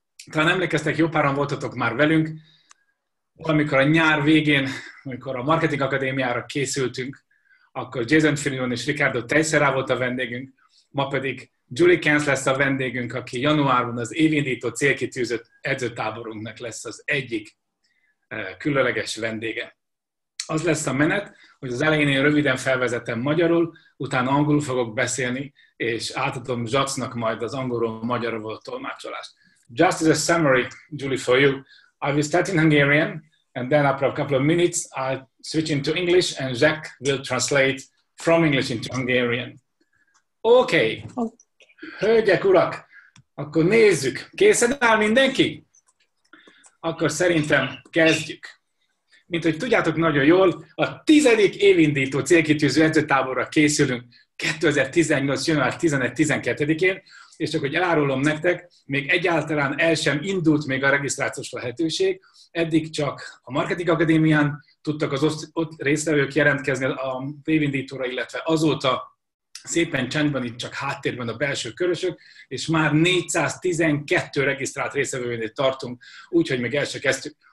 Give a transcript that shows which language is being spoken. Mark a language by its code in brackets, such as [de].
[hu] Talán emlékeztek, jó páran voltatok már velünk, amikor a nyár végén, amikor a Marketing Akadémiára készültünk, akkor Jason Finion és Ricardo Teixeira volt a vendégünk, ma pedig Julie Kenz lesz a vendégünk, aki januárban az évindító célkitűzött edzőtáborunknak lesz az egyik különleges vendége. Az lesz a menet, hogy az elején én röviden felvezetem magyarul, utána angolul fogok beszélni, és átadom Zsacnak majd az angolról magyarról tolmácsolást. [en] Just as a summary, Julie, for you, I will start in Hungarian, and then after a couple of minutes, I switch into English, and Zsac will translate from English into Hungarian. Okay. [hu] Hölgyek, urak, akkor nézzük. Készen áll mindenki? Akkor szerintem kezdjük. Mint hogy tudjátok nagyon jól, a 10. évindító célkitűző edzőtáborra készülünk 2018. január 11-12-én, és csak hogy elárulom nektek, még egyáltalán el sem indult még a regisztrációs lehetőség, eddig csak a Marketing Akadémián tudtak az ott résztvevők jelentkezni az évindítóra, illetve azóta szépen csendben itt csak háttérben a belső körösök, és már 412 regisztrált résztvevőnél tartunk, úgyhogy még el sem kezdtük.